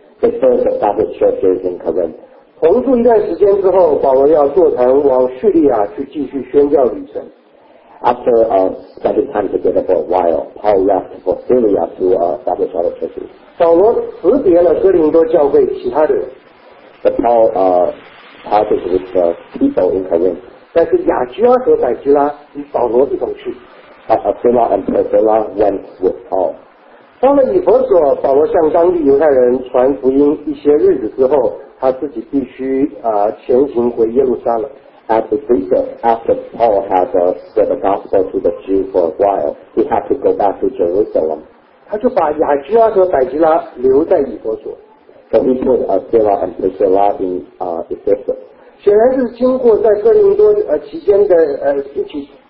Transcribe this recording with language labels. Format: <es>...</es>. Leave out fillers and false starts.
<en>They first established churches in Corinth.</en> <zh>同住一段时间之后，保罗要坐船往叙利亚去继续宣教旅程。</zh> <en>After spending time together for a while, Paul left for Syria to establish other churches.</en> <zh>保罗辞别了哥林多教会其他的人。</zh> <en>But Paul parted with the people in Corinth.</en> <zh>但是亚居拉和百居拉与保罗一同去。</zh> <en>Aquila and Priscilla went with Paul.</en> <zh>到了以弗所，保罗向当地犹太人传福音一些日子之后，他自己必须前行回耶路撒冷。</zh> <en>After Paul had spread the gospel to the Jews for a while, he had to go back to Jerusalem.</en> <zh>他就把亚居拉和百基拉留在以弗所。</zh> <en>So he put Aquila and Priscilla in Ephesus.</en> <zh>显然是经过在哥林多期间的一起。</zh>